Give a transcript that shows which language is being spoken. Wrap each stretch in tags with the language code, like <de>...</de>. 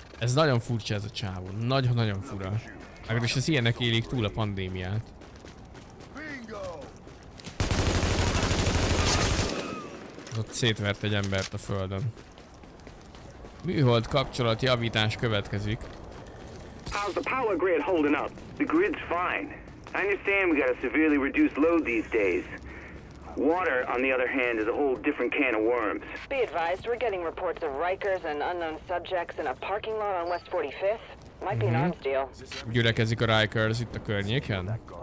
<hu>Ez nagyon furcsa ez a csávon. Nagyon-nagyon fura. Akkor is az ilyenek élik túl a pandémiát. Az ott szétvert egy embert a földön. Műhold kapcsolat javítás következik.</hu> <en>How's the power grid holding up? The grid's fine. I understand we got a severely reduced load these days. Water, on the other hand, is a whole different can of worms. Be advised, we're getting reports of Rikers and unknown subjects in a parking lot on West 45th. Might be an arms deal.</en> <hu>Gyülekezik a Rikers itt a környéken.</hu>